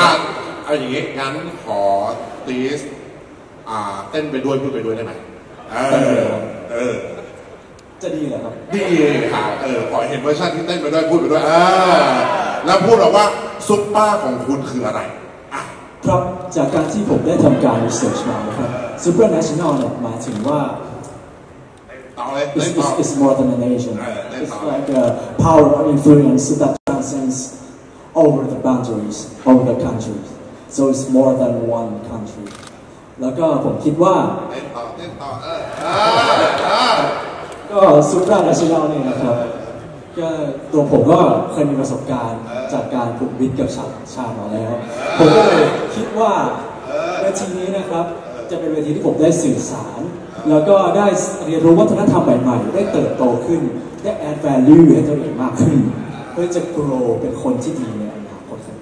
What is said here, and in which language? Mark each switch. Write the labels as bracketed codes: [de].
[th] ะเอาอย่างนี้งั้นขอตีสเต้นไปด้วยพูดไปด้วยได้ไหมเออ จะดี เหรอครับ ดีค่ะเออขอเห็นเวอร์ชันที่เต้นไปด้วยพูดไปด้วยแล้วพูดแบบว่าซุปเปอร์ของคุณคืออะไร ครับจากการที่ผมได้ทำการรีเสิร์ชมานะครับซุปเปอร์แนชั่นแนลหมายถึงว่า ต่อเลย [en] it's more than a nation it's like a power or influence that transcends over the boundaries of the countries so it's more than one country [th] แล้วก็ผมคิดว่า เต้นต่อ ก็ซุปเปอร์แนชั่นแนลนี่นะครับก็ตัวผมก็เคยมีประสบการณ์จากการผูกมิตรกับชาติมาแล้วผมก็เลยคิดว่าเวทีนี้นะครับจะเป็นเวทีที่ผมได้สื่อสารแล้วก็ได้เรียนรู้วัฒนธรรมใหม่ๆได้เติบโตขึ้นได้แอดแวลูให้ตัวเองมากขึ้นเพื่อจะโกรเป็นคนที่ดีในอนาคตครับ